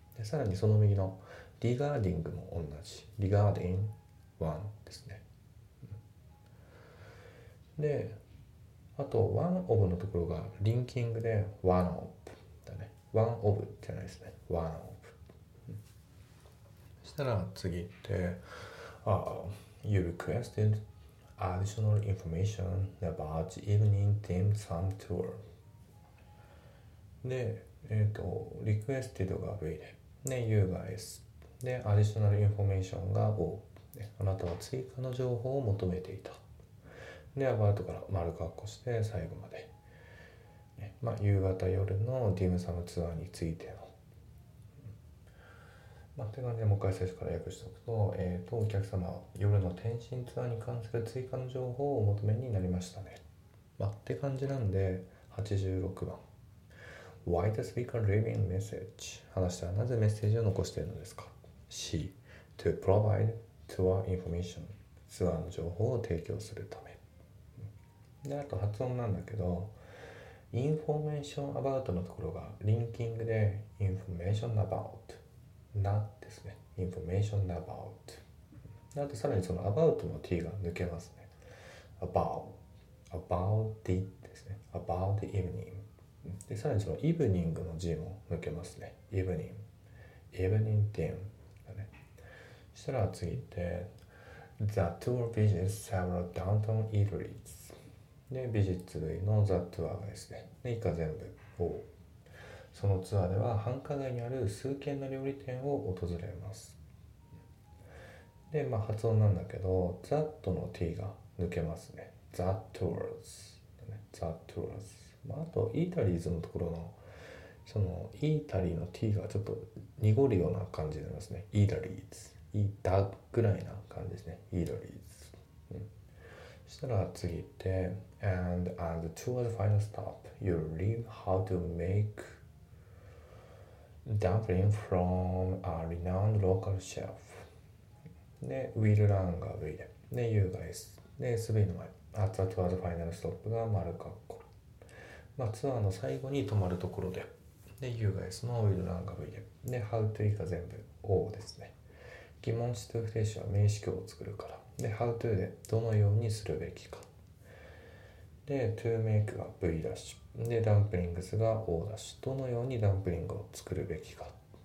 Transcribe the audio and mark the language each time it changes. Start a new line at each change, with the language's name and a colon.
Japanese: で、さらにその右のリガーディングも同じ、リガーディング1ですね。で、あと、 one of のところがリンキングで one of だね。 one of じゃないですね。
English: one of。そしたら次って、 you requested additional information about the evening dim sum tour。
Japanese: で、requested が V で、ね、U が S。で、additional information が O。あなたは追加の情報を求めていた。で、アバウトから丸括弧して最後まで、ね、まあ、夕方夜のディムサムツアーについての、まあ、って感じでもう一回最初から訳しておくと、お客様は夜の天津ツアーに関する追加の情報をお求めになりましたね、まあ、って感じなんで、86番、 Why the speaker leaving message 話したらなぜメッセージを残しているのですか。
English: C To provide tour information ツアーの情報を提供するため。
Japanese: で、あと発音なんだけど、インフォメーションアバウトのところがリンキングで、インフォメーションアバウト、なですね。インフォメーションアバウト。あとさらにそのアバウトの T が抜けますね。
English: about the ですね。 about the evening。
Japanese: で、さらにそのイブニングの G も抜けますね。
English: evening。 evening dim だね。そしたら次って、 the tour visits several downtown eateries。
Japanese: で、ビジッツ V のザツアーがですね。で、以下全部 O。そのツアーでは繁華街にある数軒の料理店を訪れます。で、まあ発音なんだけど、ザットの T が抜けますね。ザットゥーズ。ザットゥーズ。まああと、イータリーズのところの、そのイータリーの T がちょっと濁るような感じになりますね。イータリーズ。イータぐらいな感じですね。イータリーズ。
English: そしたら次って、 and at the tour's final stop, you'll leave how to make dumpling from a renowned local chef.
Japanese: で、will learn が V で、で、U が S。 で、SV の前、 at the tour's final stop が丸括弧。まあ、ツアーの最後に止まるところで、で、U が S の will learn が V で、で、how to 以下全部 O ですね。疑問詞とフレーズは名詞形を作るから。で、how to でどのようにするべきか。で、to make が V ダッシュ。で、dumplings が O ダッシュ。どのようにダンプリングを作るべきか。っ